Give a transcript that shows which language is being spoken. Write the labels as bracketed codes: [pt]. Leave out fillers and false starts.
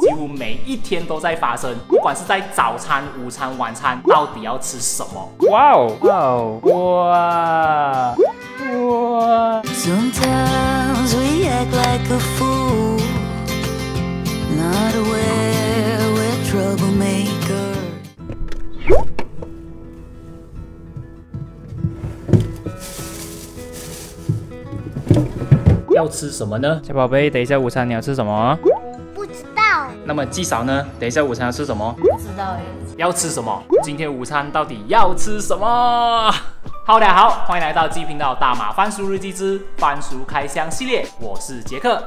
[zh] 如每一天都在发生，不管是在早餐、午餐、晚餐，到底要吃什么？哇哦！哇哦！哇！哇！ [en] Sometimes we act like a fool, not aware we're troublemakers. [zh] 要吃什么呢？小宝贝，等一下午餐你要吃什么？那么纪嫂呢？等一下午餐要吃什么？不知道耶。要吃什么？今天午餐到底要吃什么？好，大家好，欢迎来到纪频道大马番薯日记之番薯开箱系列，我是杰克。